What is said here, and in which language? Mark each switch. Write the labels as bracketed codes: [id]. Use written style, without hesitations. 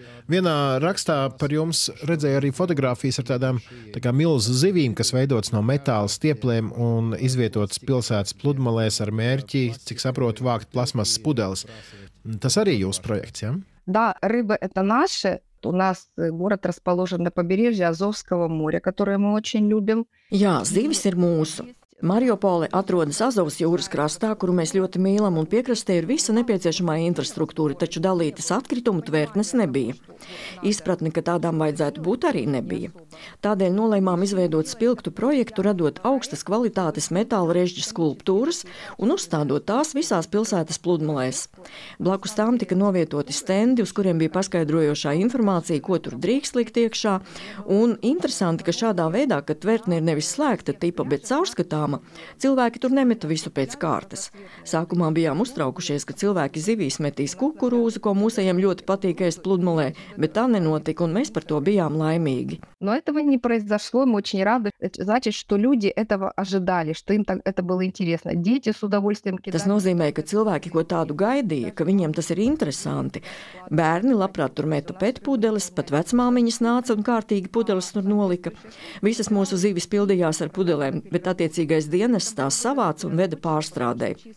[lv] Vienā rakstā par jums redzēja arī fotogrāfijas ar tādām tā kā milz zivīm, kas veidots no metāla stiepliem un izvietotas pilsētas pludmalēs ar mērķi, cik saprotu, vākt plasmasas pudeles. Tas arī jūs projekts, ja? [ru] Da, ryba – это наше. У нас город расположен на побережье Азовского моря, которое мы очень любим. [lv] Jā, zivis ir mūsu. Mariupole atrodas Azovas jūras krastā, kuru mēs ļoti mīlam, un piekrastē ir visa nepieciešamā infrastruktūra, taču dalītas atkritumu tvertnes nebija. Izpratne, ka tādām vajadzētu būt, arī nebija. Tādēļ nolēmām izveidot spilgtu projektu, radot augstas kvalitātes metāla režģa skulptūras un uzstādot tās visās pilsētas pludmalēs. Blakus tām tika novietoti stendi, uz kuriem bija paskaidrojošā informācija, ko tur drīkst likt iekšā, un interesanti, ka šādā veidā, kad tvertne ir nevis slēgta tipa, bet caurskatāma, cilvēki tur nemeta visu pēc kārtas. Sākumā bijām uztraukušies, ka cilvēki zivīs metīs kukurūzu, ko mūsējiem ļoti patīk ēst pludmalē, bet tā nenotika, un mēs par to bijām laimīgi. [ru] Но этого не произошло, мы очень рады. Значит, что люди этого ожидали, что им это было интересно. Дети с удовольствием кидали. [lv] Tas nozīmē, ka cilvēki ko tādu gaidīja, ka viņiem tas ir interesanti. Bērni labprāt tur meta petpudeles, pat vecmāmiņas nāca un kārtīgi pudeles tur nolika. Visas mūsu zivis pildījās ar pudelēm, bet attiecīgais dienests tās savāc un veda pārstrādē.